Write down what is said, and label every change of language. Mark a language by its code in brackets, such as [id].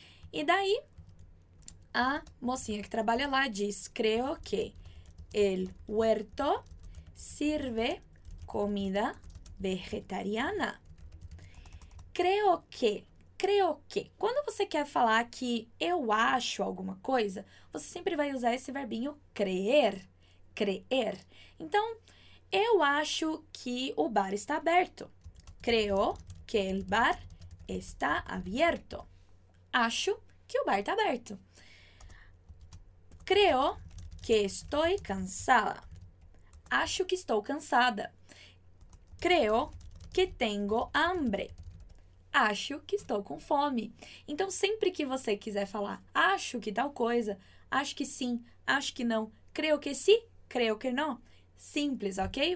[pt] E daí, a mocinha que trabalha lá diz: [es] Creo que el huerto sirve comida vegetariana. Creo que. Creo que. [pt] Quando você quer falar que eu acho alguma coisa, você sempre vai usar esse verbinho crer. Crer. Então, eu acho que o bar está aberto. [es] Creo que el bar está abierto. [pt] Acho que o bar está aberto. [es] Creo que estoy cansada. [pt] Acho que estou cansada. [es] Creo que tengo hambre. [pt] Acho que estou com fome. Então, sempre que você quiser falar acho que tal coisa, acho que sim, acho que não, creio que sim, creio que não, simples, ok?